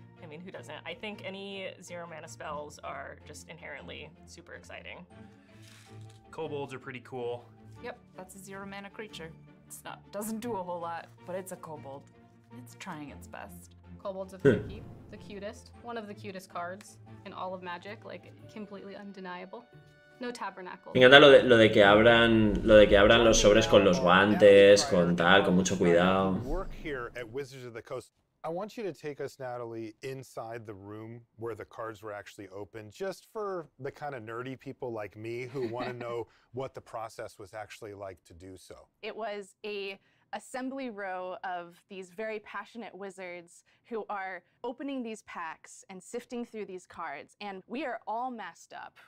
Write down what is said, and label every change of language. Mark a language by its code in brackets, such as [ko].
[en] I mean, who doesn't? I think any zero mana spells are just inherently super exciting. Kobolds are pretty cool. Yep, that's a zero mana creature. It's not, doesn't do a whole lot, but it's a kobold. It's trying its best. Kobolds are freaky. The cutest, one of the cutest cards in all of Magic, like completely undeniable. [es] Me encanta lo de que abran los sobres con los guantes, con tal, con mucho cuidado. [en] Work here at Wizards of the Coast. I want you to take us, Natalie, inside the room where the cards were actually opened, just for the kind of nerdy people like me who want to know what the process was actually like to do so. It was a assembly row of these very passionate wizards who are opening these packs and sifting through these cards, and we are all masked up.